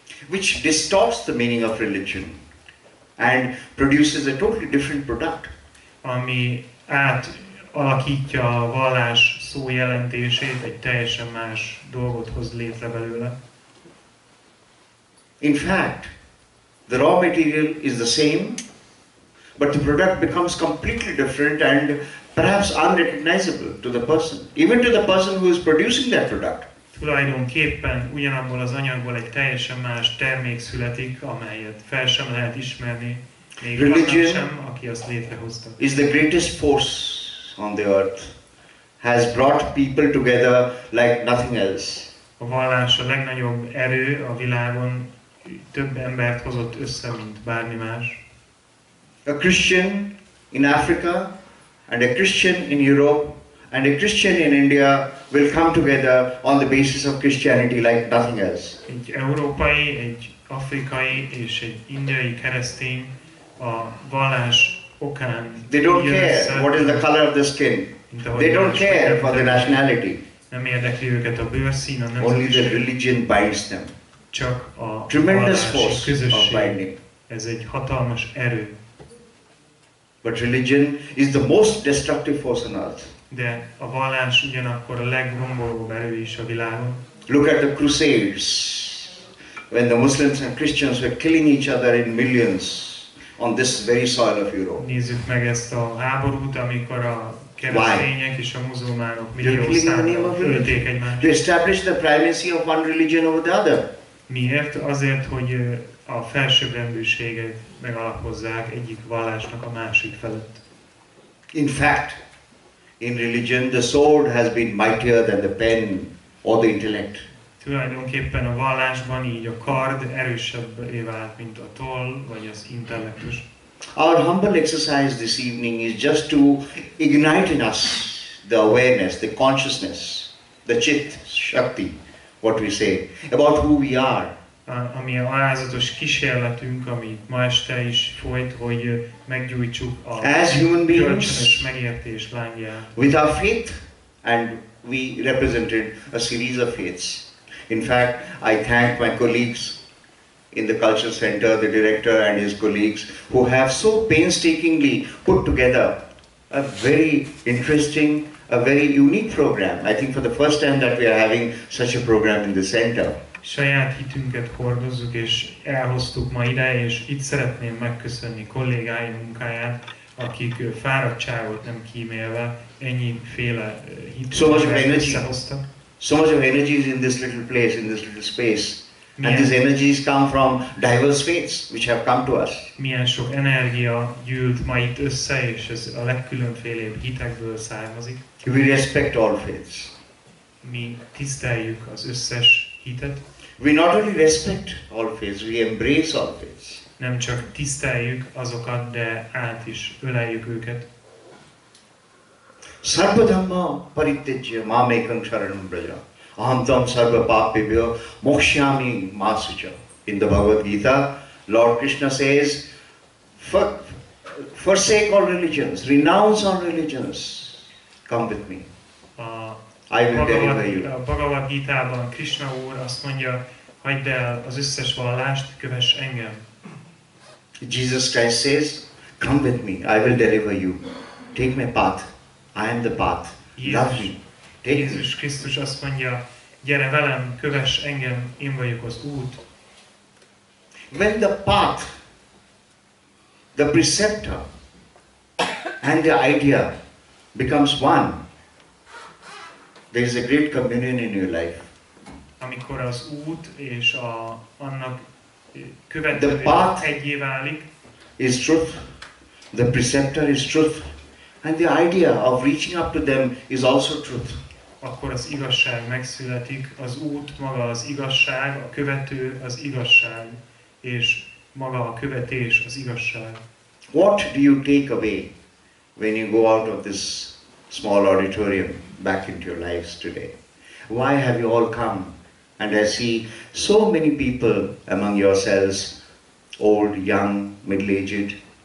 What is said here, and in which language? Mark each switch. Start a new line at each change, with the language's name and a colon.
English: which distorts the meaning of religion and produces a totally different product.
Hungarian: Ami átalakítja a vallás szó jelentését, egy teljesen más dolgot hoz létre belőle.
English: In fact, the raw material is the same, but the product becomes completely different and perhaps unrecognizable to the person, even to the person who is producing that product.
Hungarian: Tulajdonképpen ugyanabból az anyagból egy teljesen más termék születik, amelyet fel sem lehet ismerni, még annak sem, aki azt létrehozta.
English: Is the greatest force on the earth, has brought people together like nothing else.
Hungarian: A vallás a legnagyobb erő a világon, több embert hozott össze, mint bármi más.
English: A Christian in Africa, and a Christian in Europe, and a Christian in India will come together on the basis of Christianity like nothing else.
Hungarian: Egy európai, egy afrikai és egy indiai keresztény a vallás okán.
English: They don't care what is the color of the skin. They don't care for the nationality.
Hungarian: Nem érdekli őket a bőrszín, a nemzetiség.
English: Only the religion binds them.
Hungarian: Csak a
English: tremendous force of binding.
Hungarian: Ez egy hatalmas erő.
English: But religion is the most destructive force on earth.
Hungarian: De a vallás ugyanakkor a legrombolóbb erő is a világon.
English: Look at the crusades, when the Muslims and Christians were killing each other in millions on this very soil of Europe.
Hungarian: Nézzük meg ezt a háborút, amikor a keresztények és a muzulmánok millió ölték egymást.
English: To establish the primacy of one religion over the other.
Hungarian: Miért? Azért, hogy a felsőbbrendűséget megalapozzák egyik vallásnak a másik felett. In fact, in religion, the sword has been mightier than the pen or the intellect. Tulajdonképpen a vallásban így a kard erősebb vált, mint a toll vagy az intellektus.
English: Our humble exercise this evening is just to ignite in us the awareness, the consciousness, the chit, shakti, what we say, about who we are.
Hungarian: Ami a alázatos kísérletünk, amit ma este is folyt, hogy meggyújtsuk a
English: as human beings,
Hungarian: kölcsönös megértés lángját.
English: With our faith, and we represented a series of faiths. In fact, I thank my colleagues in the Cultural Center, the director and his colleagues, who have so painstakingly put together a very interesting, a very unique program. I think for the first time that we are having such a program in the center.
Hungarian: Saját hitünket hordozzuk és elhoztuk ma ide, és itt szeretném megköszönni kollégáim munkáját, akik fáradtságot nem kímélve ennyi féle hitünket
English: so much energy,
Hungarian: összehoztak.
English: So much of energy is in this little place, in this little space. Milyen, and these energies come from diverse faiths, which have come to us.
Hungarian: Milyen sok energia gyűlt ma itt össze, és ez a legkülönfélébb hitekből származik.
English: We respect all faiths.
Hungarian: Mi tiszteljük az összes hitet.
English: We not only respect all faiths, we embrace all faiths.
Hungarian: Nem csak tiszteljük azokat, de át is öleljük őket.
Sanskrit: Sarva dhamma parityajya mam ekam sharanam braja. Aham tvam sarva papebhyo mokshyami ma suca.
English: In the Bhagavad Gita, Lord Krishna says, forsake all religions, renounce all religions, come with me.
Hungarian: A Bhagavad Gita-ban Krishna úr azt mondja, hagyd el az összes vallást, kövess engem.
English: Jesus Christ says, come with me, I will deliver you. Take my path, I am the path, love me. Take
Hungarian: Jézus Krisztus azt mondja, gyere velem, kövess engem, én vagyok az út.
English: When the path, the preceptor and the idea becomes one, there is a great communion in your life.
Hungarian: Amikor az út és a annak követője egyé válik,
English: is truth, the preceptor is truth, and the idea of reaching up to them is also truth.
Hungarian: Akkor az igazság megszületik, az út maga az igazság, a követő az igazság, és maga a követés az igazság.
English: What do you take away when you go out of this small auditorium back into your lives today? Why have you all come? And I see so many people among yourselves, old, young, middle-aged.